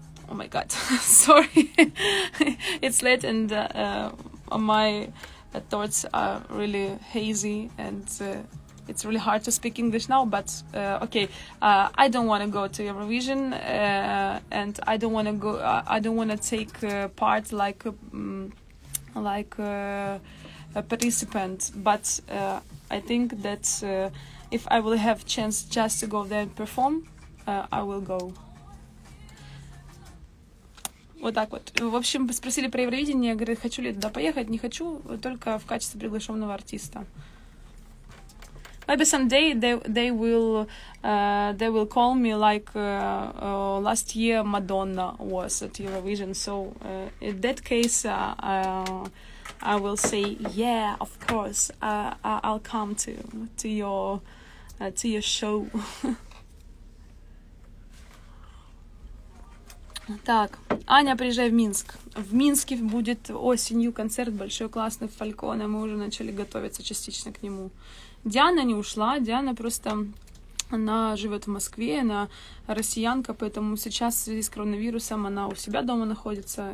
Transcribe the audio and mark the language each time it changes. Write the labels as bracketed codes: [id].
[en] Oh my god, sorry, it's late and my thoughts are really hazy and it's really hard to speak English now, but okay, I don't want to go to Eurovision and I don't want to take part like a participant, but I think that if I will have chance just to go there and perform, I will go. [ru] Вот так вот. В общем, спросили про Евровидение, говорят, хочу ли туда поехать, не хочу, только в качестве приглашенного артиста. [en] Maybe someday they will call me like last year Madonna was at Eurovision, so in that case I will say yeah, of course, I'll come to your show. [ru] Так, Аня, приезжай в Минск. В Минске будет осенью концерт большой, классный, в Фальконе. Мы уже начали готовиться частично к нему. Диана не ушла. Диана просто, она живет в Москве, она россиянка, поэтому сейчас в связи с коронавирусом она у себя дома находится.